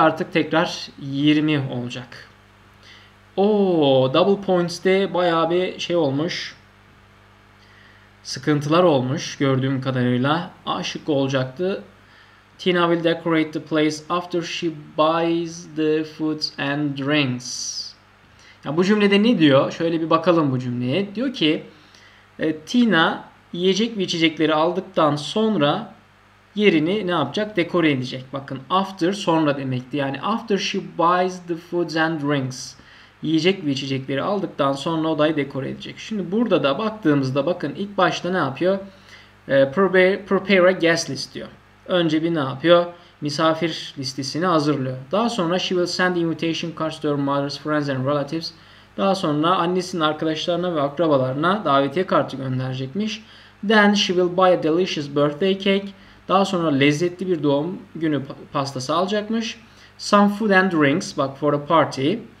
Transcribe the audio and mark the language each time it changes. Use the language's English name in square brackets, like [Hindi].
[Turkish] Artık tekrar 20 olacak. Double points de bayağı bir şey olmuş. Sıkıntılar olmuş gördüğüm kadarıyla. A şıkkı olacaktı. [English] Tina will decorate the place after she buys the food and drinks. [Turkish] Ya bu cümlede ne diyor? Şöyle bir bakalım bu cümleye. Diyor ki Tina yiyecek ve içecekleri aldıktan sonra yerini ne yapacak? Dekore edecek. Bakın after sonra demekti. Yani [English] after she buys the foods and drinks. [Turkish] Yiyecek ve içecekleri aldıktan sonra odayı dekore edecek. Şimdi burada da baktığımızda bakın ilk başta ne yapıyor? [English] Prepare a guest list [Turkish] diyor. Önce bir ne yapıyor? Misafir listesini hazırlıyor. Daha sonra [English] she will send invitation cards to her mother's friends and relatives. [Turkish] Daha sonra annesinin arkadaşlarına ve akrabalarına davetiye kartı gönderecekmiş. [English] Then she will buy a delicious birthday cake. [Turkish] Daha sonra lezzetli bir doğum günü pastası alacakmış. [English] Some food and drinks, bak for a party.